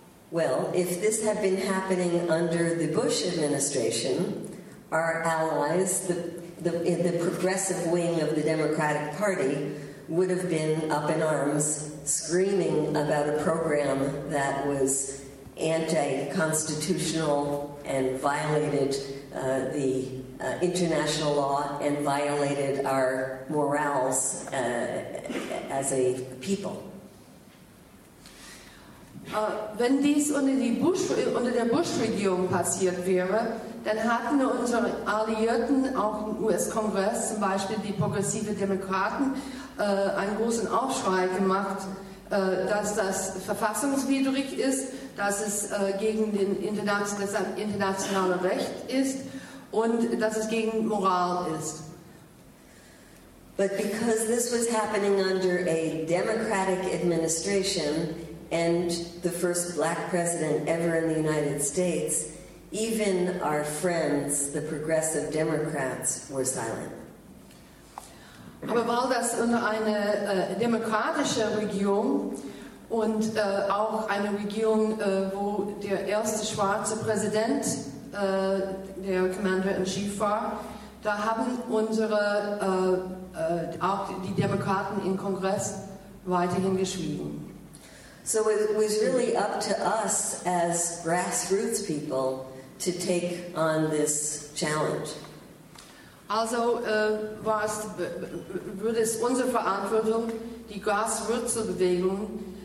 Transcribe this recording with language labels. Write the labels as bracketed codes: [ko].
[en] Well, if this had been happening under the Bush administration, our allies, the progressive wing of the Democratic Party, would have been up in arms screaming about a program that was anti-constitutional and violated the international law and violated our morals as a people. [de] Wenn dies unter der Bush-Regierung passiert wäre, dann hatten unsere Alliierten, auch im US-Kongress, zum Beispiel die progressive Demokraten, einen großen Aufschrei gemacht, dass das verfassungswidrig ist, dass es gegen das internationale Recht ist und dass es gegen Moral ist. [en] But because this was happening under a democratic administration and the first black president ever in the United States, even our friends, the progressive Democrats, were silent. [de] Aber weil das unter eine demokratische Regierung und auch eine Regierung, wo der erste schwarze Präsident, der Commander-in-Chief war, da haben unsere, auch die Demokraten im Kongress weiterhin geschwiegen. [en] So it was really up to us as grassroots people to take on this challenge. [de] Also würde es unsere Verantwortung, die Graswurzelbewegung,